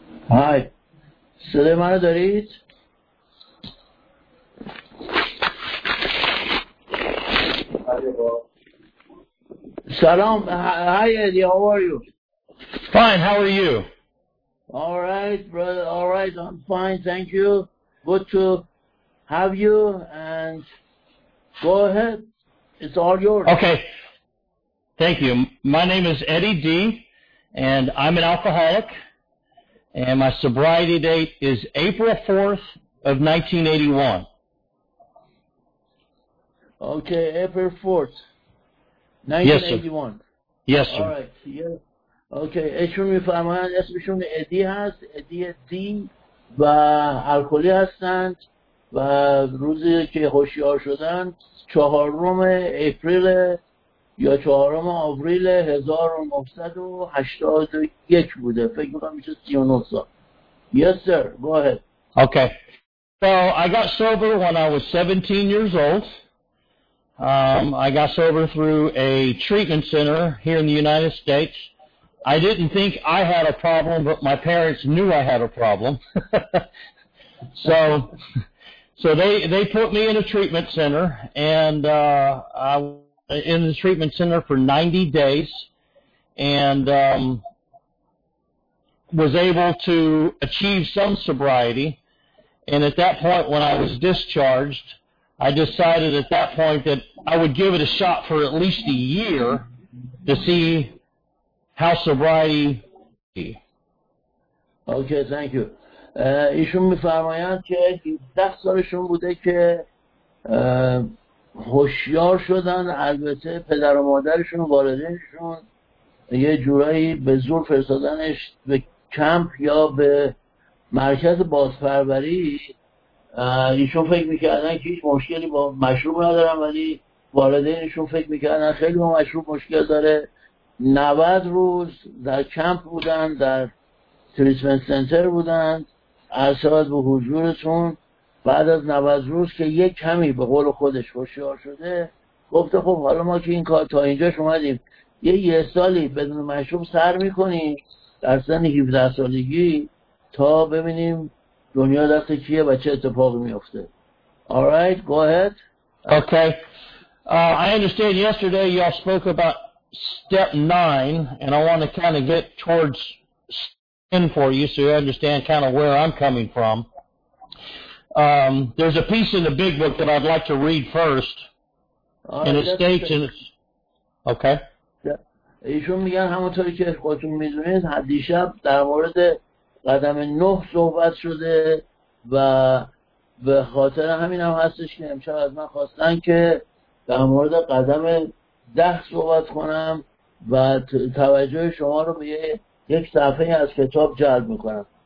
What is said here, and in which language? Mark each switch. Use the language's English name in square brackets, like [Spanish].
[Persian] های صدای من رو دارید؟ سلام، های ایدی، [English] how are you? Fine, how are you? All right, brother, all right, I'm fine, thank you. Good to have you, and go ahead, it's all yours. Okay, thank you. My name is Eddie D., and I'm an alcoholic, and my sobriety date is April 4th of 1981. Okay, April 4th, 1981. Yes, sir. All right, yes. [Persian] اوکی اشون میفرمایند اسمشون ادی هست، ادی دی و الکلی هستند و روزی که هوشیار شدند چهارم اپریل یا چهارم آوریل 1981 بوده، فکر میکنم میشه 39 سال. [English] Yes sir, go ahead. Okay, so I got sober when I was 17 years old. I got sober through a treatment center here in the United States. I didn't think I had a problem, but my parents knew I had a problem. so they put me in a treatment center, and I was in the treatment center for 90 days, and was able to achieve some sobriety. And at that point, when I was discharged, I decided at that point that I would give it a shot for at least a year to see how sobriety. Okay, thank you. [Persian] ایشون میفرمایند که 17 سالشون بوده که هوشیار شدن. البته پدر و مادرشون و والدینشون یه جورایی به زور فرستادنش به کمپ یا به مرکز بازپروری. ایشون فکر میکردن که هیچ مشکلی با مشروب ندارن، ولی والدینشون فکر میکردن خیلی با مشروب مشکل داره. 90 روز در کمپ بودن، در تریتمنت سنتر بودن، اعصاب به حضورتون. بعد از 90 روز که یک کمی به قول خودش هوشیار شده، گفته خب حالا ما که این کار تا اینجاش اومدیم، یه سالی بدون مشروب سر میکنیم در سن 17 سالگی تا ببینیم دنیا دست کیه و چه اتفاقی میفته. [English] Alright, go ahead. Okay. I understand yesterday you all spoke about step 9, and I want to kind of get towards 10 for you so you understand kind of where I'm coming from. There's a piece in the big book that I'd like to read first, and it states in it's, okay. [Persian] ایشون میگن همونطوری که خودتون میدونید دیشب در مورد قدم 9 صحبت شده و به خاطر همین هم هستش که امشب از من خواستن که در مورد قدم 10 صحبت کنم و توجه شما رو به یک صفحه از کتاب جلب میکنم.